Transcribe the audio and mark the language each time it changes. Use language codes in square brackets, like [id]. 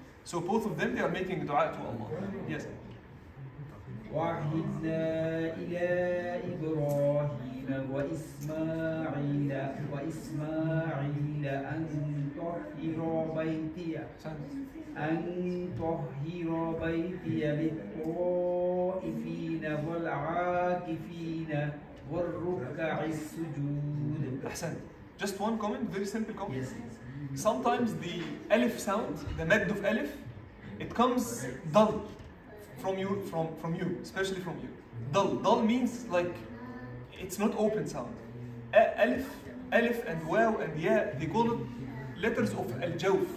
[en] So both of them, they are making dua to Allah. Yes. [ar] وعهدنا إلى إبراهيم وإسماعيل أن تحير بيتي للطائفين والعاكفين والركع السجود. أحسن. [en] Just one comment, very simple comment. Yes. Sometimes the alif sound, the mad of alif, it comes dull from you, especially from you. Dull means like it's not open sound. Alif and waw and ya, they call it letters of al-jawf.